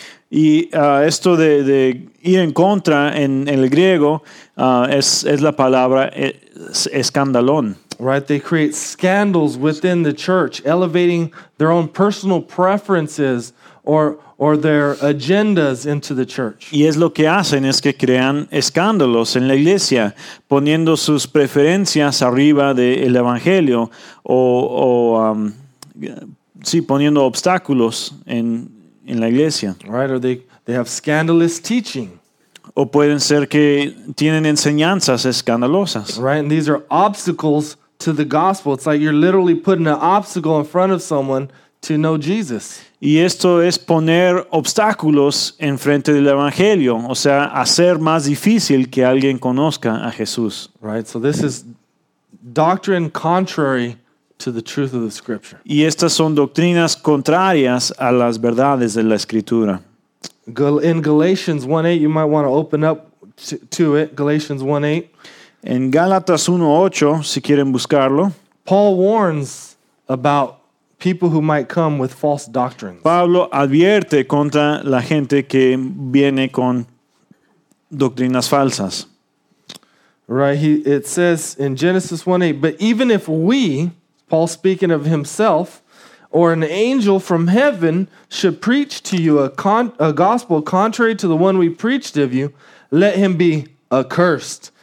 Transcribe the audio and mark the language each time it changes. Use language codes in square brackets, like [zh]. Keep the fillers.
[es] Y uh, esto de, de ir en contra en, en el griego uh, es, es, la palabra es, es scandalon. [en] Right, they create scandals within the church, elevating their own personal preferences or or their agendas into the church. [es] Y es lo que hacen es que crean escándalos en la iglesia, poniendo sus preferencias arriba del de el evangelio o, o um, sí, poniendo obstáculos en, en la iglesia. [en] Right, or they, they have scandalous teaching. [es] O pueden ser que tienen enseñanzas escandalosas. [en] Right, and these are obstacles to the gospel. It's like you're literally putting an obstacle in front of someone to know Jesus. [es] Y esto es poner obstáculos en del evangelio, o sea, hacer más difícil que alguien conozca a Jesús. [en] Right, so this is doctrine contrary to the truth of the scripture. And these are doctrines contrary to the truths of the Scripture. In Galatians 1:8 you might want to open up to it, Galatians 1:8. [es] En Gálatas 1:8, si quieren buscarlo, [en] Paul warns about people who might come with false doctrines. [es] Pablo advierte contra la gente que viene con doctrinas falsas. [en] Right, he, it says in Genesis 1:8, but even if we, Paul speaking of himself, or an angel from heaven should preach to you a, con, a gospel contrary to the one we preached of you, let him be accursed.